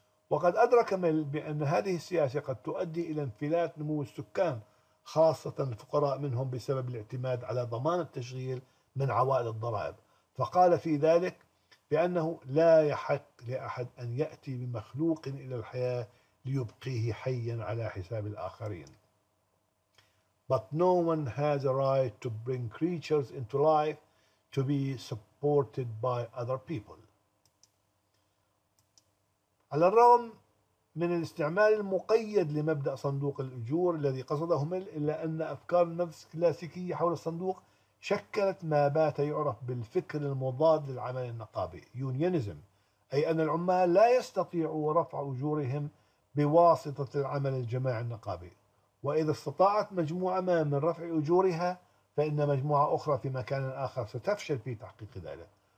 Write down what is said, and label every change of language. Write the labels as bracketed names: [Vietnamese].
[Arabic] وقد أدرك ميل بأن هذه السياسة قد تؤدي إلى انفلات نمو السكان خاصة الفقراء منهم بسبب الاعتماد على ضمان التشغيل من عوائد الضرائب، فقال في ذلك بأنه لا يحق لأحد أن يأتي بمخلوق إلى الحياة ليبقيه حيا على حساب الآخرين. [English] But no one has a right to bring creatures into life to be supported by other people. [Arabic] على الرغم من الاستعمال المقيد لمبدأ صندوق الأجور الذي قصده ميل، إلا أن أفكار النفس الكلاسيكية حول الصندوق شكلت ما بات يعرف بالفكر المضاد للعمل النقابي يونيونيزم، أي أن العمال لا يستطيعوا رفع أجورهم بواسطة العمل الجماعي النقابي، وإذا استطاعت مجموعة ما من رفع أجورها فإن مجموعة أخرى في مكان آخر ستفشل في تحقيق ذلك.